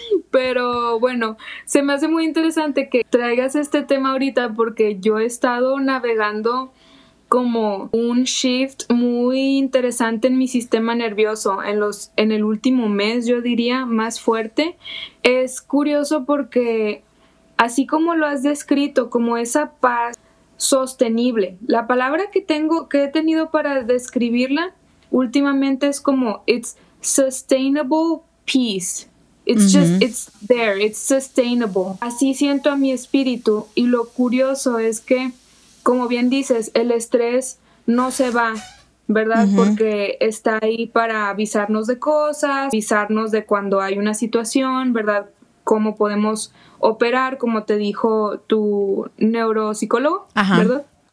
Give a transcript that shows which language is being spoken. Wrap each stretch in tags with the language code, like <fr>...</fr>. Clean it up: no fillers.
<es>Pero bueno, se me hace muy interesante que traigas este tema ahorita, porque yo he estado navegando como un shift muy interesante en mi sistema nervioso en el último mes, yo diría, más fuerte. Es curioso porque así como lo has descrito, como esa paz sostenible, la palabra que tengo, que he tenido para describirla últimamente es como</es> <en>it's sustainable peace. It's just, it's there, it's sustainable.</en> <es>Así siento a mi espíritu, y lo curioso es que, como bien dices, el estrés no se va, ¿verdad? Uh-huh. Porque está ahí para avisarnos de cosas, avisarnos de cuando hay una situación, ¿verdad? Cómo podemos operar, como te dijo tu neuropsicólogo, ajá, ¿verdad?</es>